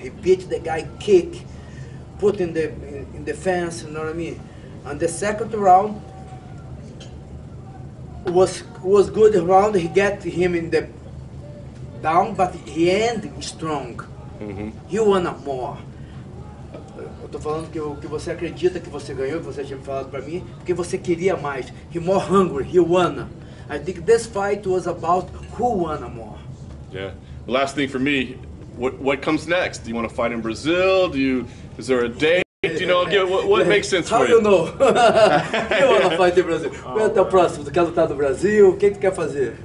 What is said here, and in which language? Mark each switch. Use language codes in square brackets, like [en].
[en] He beat the guy kick, put in the fence, you know what I mean? And the second round was good round. He got him in the down, but he ended strong. Mm-hmm. He won more. [pt] Eu tô falando que você acredita que você ganhou, que você tinha me falado pra mim, porque você queria mais. [en] He more hungry, he won. I think this fight was about who won more. Yeah. Last thing for me, What comes next? Do you want to fight in Brazil? Is there a date? Do you know, what makes sense for you? How do you know? You want to fight in Brazil? [pt] Oh, qual é o teu próximo? Tu quer lutar no Brasil? O que tu quer fazer?